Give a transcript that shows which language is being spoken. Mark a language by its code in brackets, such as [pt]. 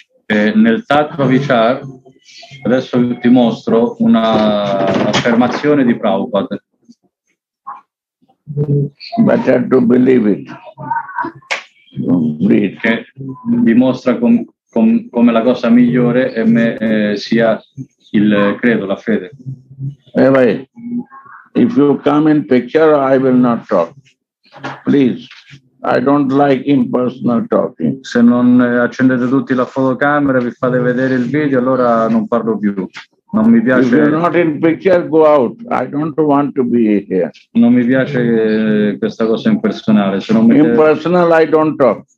[it] Nel Tattva Vichar, adesso ti mostro una affermazione di Prabhupada. [en] Better to believe it. [it] Che dimostra come la cosa migliore è sia il credo, la fede. [en] Anyway, if you come in picture, I will not talk. Please, I don't like impersonal talking. [it] Se non accendete tutti la fotocamera, vi fate vedere il video, allora non parlo più. Non mi piace. [en] If you're not in picture, go out. I don't want to be here. [it] Non mi piace questa cosa impersonale. [en] Impersonal, I don't talk.